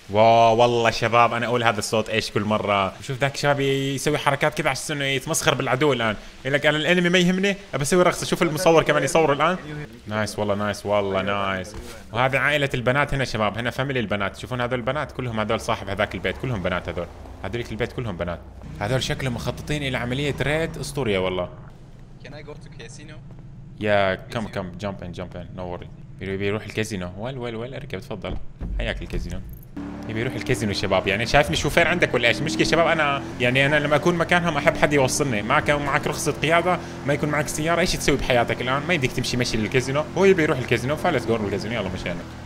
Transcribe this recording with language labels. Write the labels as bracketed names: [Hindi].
[Arabic] واو والله شباب انا اقول هذا الصوت ايش كل مره. شوف ذاك الشباب يسوي حركات كذا عشان يتمسخر بالعدو الان. لك انا الانمي ما يهمني ابي اسوي رقصه. شوف المصور كمان يصور الان. نايس والله نايس والله نايس. وهذه عائله البنات هنا شباب. هنا فاميلي البنات. شوفون هذول البنات كلهم. هذول صاحب هذاك البيت كلهم بنات. هذول هذوليك البيت كلهم بنات. هذول شكلهم مخططين الى عمليه ريد اسطوريه والله. [English] Can I go to casino? Yeah, come come jump in jump in no worry. [Arabic] يبي يروح الكازينو. ويل ويل ويل اركب تفضل حياك الكازينو. يبي يروح الكازينو شباب. يعني شايفني شوفير عندك ولا ايش مشكله شباب. انا يعني انا لما اكون مكانهم احب حد يوصلني. معك معك رخصه قياده ما يكون معك سياره ايش تسوي بحياتك الان. ما يديك تمشي مشي للكازينو. هو يبي يروح الكازينو فلس جو الكازينو. يلا مشينا.